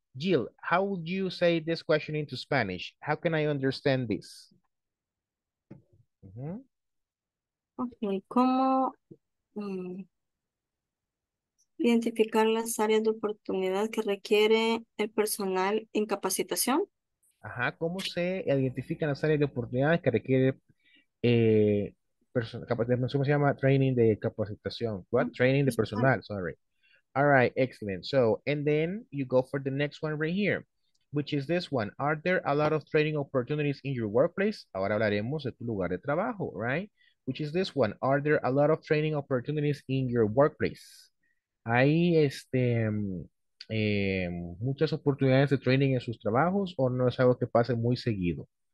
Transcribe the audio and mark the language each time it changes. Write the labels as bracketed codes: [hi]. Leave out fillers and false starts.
[en] Jill, how would you say this question into Spanish? How can I understand this? [es] Okay, ¿cómo identificar las áreas de oportunidad que requiere el personal en capacitación? Ajá, ¿cómo se identifican las áreas de oportunidad que requiere ¿cómo se llama? [en] Training de capacitación. What? Training de personal, sorry. All right, excellent. So, and then you go for the next one right here, which is this one. Are there a lot of training opportunities in your workplace? [es] Ahora hablaremos de tu lugar de trabajo, [en] right? Which is this one. Are there a lot of training opportunities in your workplace? [es] ¿Hay muchas oportunidades de training en sus trabajos o no es algo que pase muy seguido?